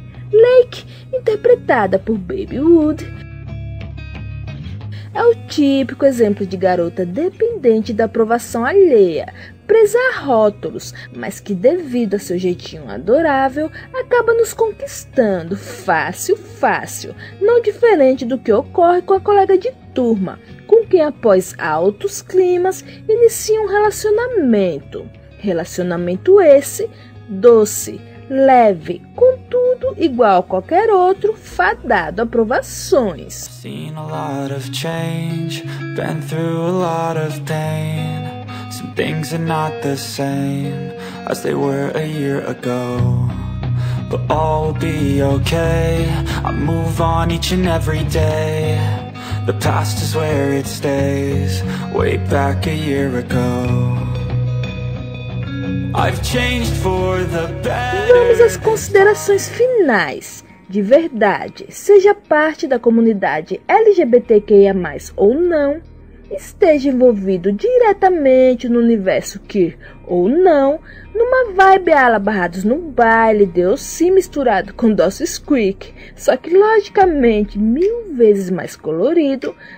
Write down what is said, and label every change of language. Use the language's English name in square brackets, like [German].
[Portuguese] Lake, interpretada por Baby Wood, é o típico exemplo de garota dependente da aprovação alheia, presa a rótulos, mas que devido a seu jeitinho adorável, acaba nos conquistando fácil, fácil, não diferente do que ocorre com a colega de turma, com quem após altos climas, inicia um relacionamento. Relacionamento esse, doce, leve, contudo igual a qualquer outro, fadado a provações. [English] Seen a lot of change, been through a lot of pain. Some things are not the same as they were a year ago. But all will be okay, I move on each and every day. The past is where it stays, way back a year ago. I've changed for the better. [Portuguese] Vamos às considerações finais. De verdade, seja parte da comunidade LGBTQIA+, ou não, esteja envolvido diretamente no universo queer ou não, numa vibe ala barrados no baile, deu sim misturado com Dawson's Creek, só que logicamente mil vezes mais colorido,